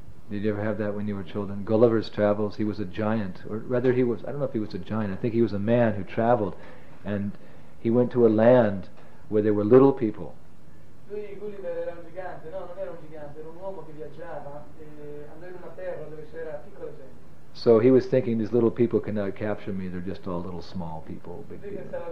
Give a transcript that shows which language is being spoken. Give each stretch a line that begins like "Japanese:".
English: Did you ever have that when you were children? Gulliver's Travels, he was a giant, or rather he was, I don't know if he was a giant, I think he was a man who traveled, and he went to a land where there were little people.
Italian: Gulliver era un gigante, no, non era un gigante, era un uomo che viaggiava, andò in una terra dove c'era piccola gente.
English: so he was thinking, these little people cannot capture me, they're just all little small people, big people.